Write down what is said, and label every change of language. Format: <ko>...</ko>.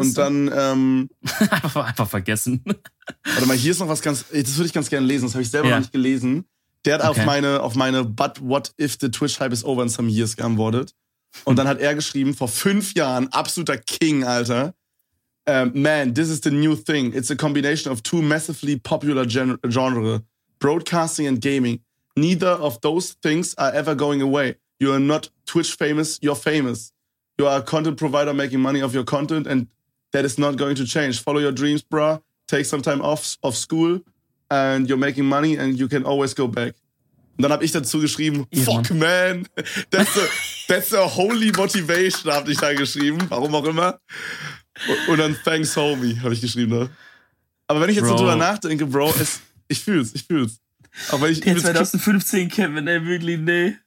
<de>Und dann... einfach vergessen. Warte mal, hier ist noch was ganz... Das würde ich ganz gerne lesen, das habe ich selber noch nicht gelesen. Der hat auf meine</de> <en>But what if the Twitch-Hype is over in some years</en> <de>geantwortet. Und dann hat er geschrieben, vor 5 Jahren, absoluter King, Alter.</de> <en>Man, this is the new thing. It's a combination of 2 massively popular genre. Broadcasting and gaming. Neither of those things are ever going away. You are not Twitch famous, you're famous. You are a content provider making money off your content and that is not going to change. Follow your dreams, bruh. Take some time off school and you're making money and you can always go back.</en> <de>Und dann habe ich dazu geschrieben,</de> <en>fuck man, that's a holy motivation,</en> <de>habe ich da geschrieben, warum auch immer. Und dann</de> <en>thanks, homie,</en> <de>habe ich geschrieben. Ne? Aber wenn ich jetzt so drüber nachdenke, Bro, ich fühl's. Aber ich, der 2015 Kevin, ey, wirklich, nee.</de>